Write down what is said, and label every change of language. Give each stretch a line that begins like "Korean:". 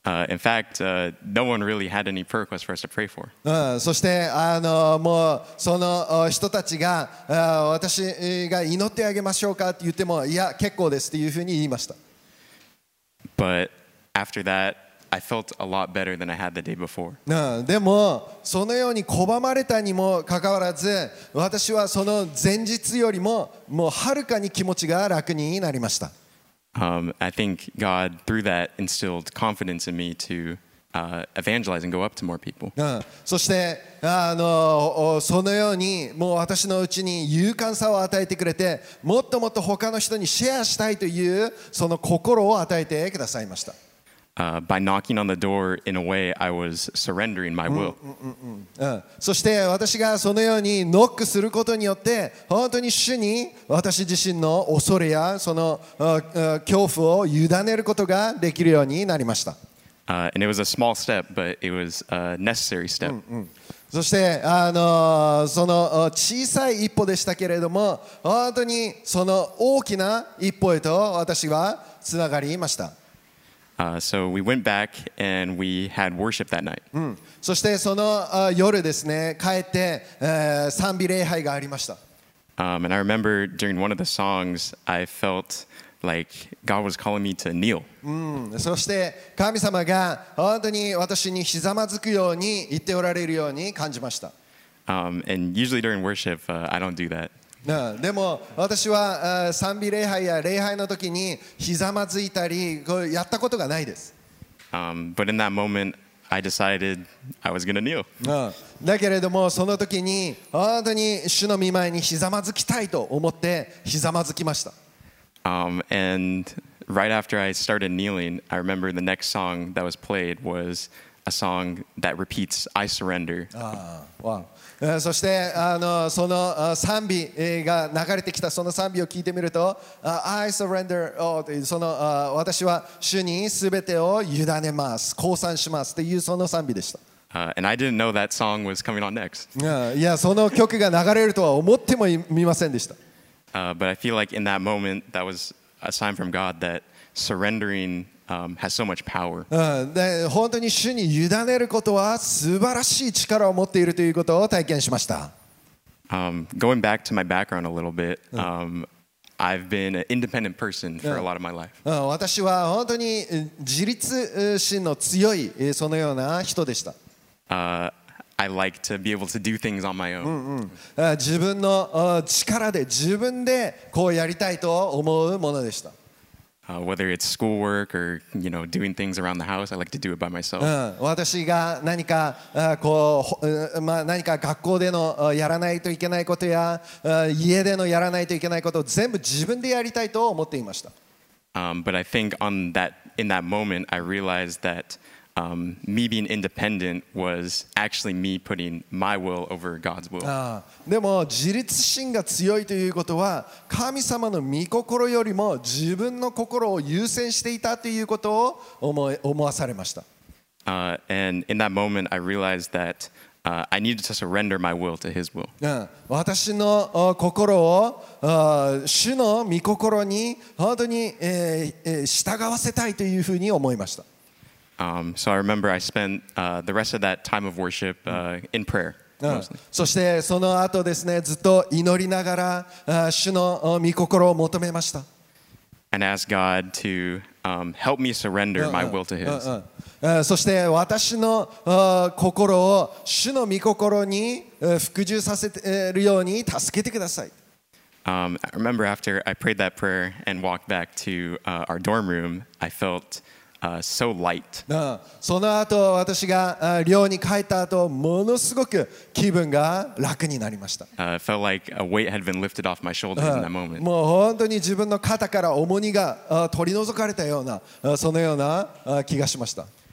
English: In fact, no one really had any prayer requests for us to pray for.
Japanese: そしてもうその人たちが私が祈ってあげましょうかって言ってもいや結構ですっていうふうに言いました。
English: But after that, I felt a lot better than I had the day before.
Japanese: でもそのように拒まれたにもかかわらず、私はその前日よりももうはるかに気持ちが楽になりました。
English: I think God through that instilled confidence in me to evangelize and go up to more people.
Japanese: そしてそのようにもう私のうちに勇敢さを与えてくれて、もっともっと他の人にシェアしたいというその心を与えてくださいました。
English: By knocking on the door, in a way, I was surrendering my will.
Japanese: そして私がそのようにノックすることによって、本当に主に私自身の恐れやその恐怖を委ねることができるようになりました。
English: And it was a small step, but it was a necessary step.
Japanese: そしてその小さい一歩でしたけれども、本当にその大きな一歩へと私はつながりました。
English: So we went back and we had worship that night.
Japanese: そしてその夜ですね、帰って賛美礼拝がありました。
English: And I remember during one of the songs, I felt like God was calling me to kneel.
Japanese: そして神様が本当に私にひざまずくように言っておられるように感じました。
English: And usually during worship, I don't do that.
Japanese: でも私は賛美礼拝や礼拝の時にひざまずいたりこうやったことがないです。
English: But in that moment, I decided I was gonna kneel.
Japanese: だけれどもその時に本当に主の御前にひざまずきたいと思ってひざまずきました。
English: And right after I started kneeling, I remember the next song that was played was a song that repeats, I surrender.
Japanese: そしてその賛美が流れてきたその賛美を聞いてみると、
English: I surrender,
Japanese: その私は主に全てを委ねます、降参しますというその賛美でした。
English: And I didn't know that song was coming on next.
Japanese: いや、その曲が流れるとは思ってもみませんでした。
English: But I feel like in that moment, that was a sign from God that surrendering has so much power.
Japanese: 本当に主に委ねることは素晴らしい力を持っているということを体験しました。
English: Going back to my background a little bit, I've been an independent person for a lot of my life.
Japanese: 私は本当に自立心の強いそのような人でした。
English: I like to be able to do things on my own.
Japanese: 自分の力で自分でこうやりたいと思うものでした。
English: Whether it's schoolwork or, you know, doing things around the house, I like to do it by myself.
Japanese: 私が何かこう、まあ何か学校でのやらないといけないことや家でのやらないといけないことを全部自分でやりたいと思っていました。
English: But I think on that, in that moment, I realized that me being independent was actually me putting my will over God's will.
Japanese: でも自立心が強いということは神様の御心よりも自分の心を優先していたということを思わされました。
English: And in that moment, I realized that I needed to surrender my will to His will.
Japanese: 私の心を主の御心に本当に従わせたいというふうに思いました。
English: So I remember I spent the rest of that time of worship in prayer.
Japanese: そしてその後ですね、ずっと祈りながら主の御心を求めました。
English: And asked God to help me surrender my will to His.
Japanese: そして私の心を主の御心に服従させるように助けてください。
English: I remember after I prayed that prayer and walked back to our dorm room, I felt so light.
Japanese: その後私が寮に帰った後ものすごく気分が楽になりました。
English: Felt like a weight had been lifted off my shoulders in that moment.
Japanese: もう本当に自分の肩から重荷が取り除かれたようなそのような気がしました。